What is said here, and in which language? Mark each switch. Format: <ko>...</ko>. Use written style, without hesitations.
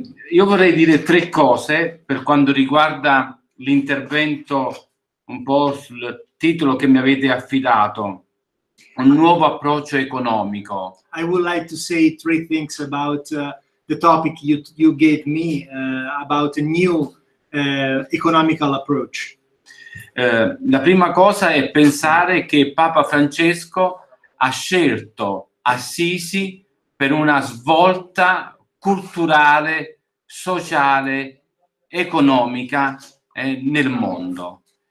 <it>Io vorrei dire 3 cose per quanto riguarda l'intervento, un po' sul titolo che mi avete affidato. Un nuovo approccio economico.</it> <en>I would like to say 3 things about the topic you gave me about a new economical approach.</en> <it>La prima cosa è pensare che Papa Francesco ha scelto Assisi per una svolta culturale, sociale, economica nel mondo.</it>